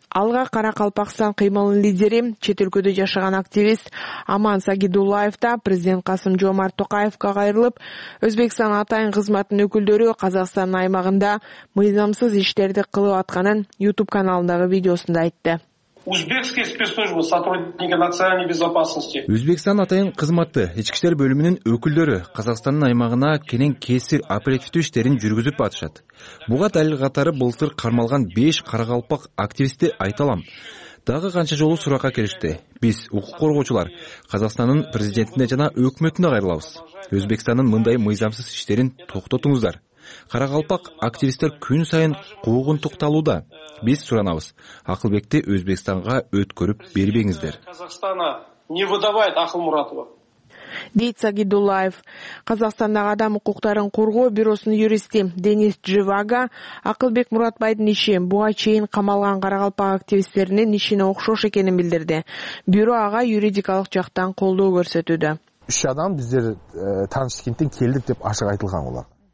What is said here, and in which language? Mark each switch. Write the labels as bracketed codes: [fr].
[ky] Алга Каракалпакстан кыймылынын лидери, чет өлкөдө жашаган активист Аман Сагидуллаев да президент Касым Жомарт Токаевка кайрылып, Өзбекстан атайын кызматынын өкүлдөрү Казакстандын аймагында мыйзамсыз иштерди кылып атканын YouTube каналындагы видеосунда айтты. [ru] Узбекские спецслужбы, сотрудники национальной безопасности. [ky] Өзбекстан атайын кызматы, ички иштер бөлүмүнүн өкүлдөрү Казакстандын аймагына кенен кесир оперативдүү иштерин жүргүзүп атышат. Буга дал катары былтыр кармалган 5 каракалпак активисти айталам. Дагы канча жолу суракка келишти. Биз укук коргоочулар Казакстандын президентине жана өкмөтүнө кайрылабыз. Өзбекстандын мындай мыйзамсыз иштерин токтотуңуздар. Каракалпак активисттер күн сайын куугунтукталууда. Биз суранабыз. Акылбекти Өзбекстанга өткөрүп бербеңиздер. [ru] Казакстана не выдавает Акыл Муратова. [ky] Дейт Сагидуллаев. Казакстандагы адам укуктарын коргоо бюросунун юристи Денис Дживага Акылбек Муратбайдын иши буга чейин камалган каракалпак активисттеринин ишине окшош экенин билдирди. Бюро ага юридикалык жактан колдоо көрсөтүүдө. Үч адам биздер Ташкенттен келдик деп ашык айтылган болот.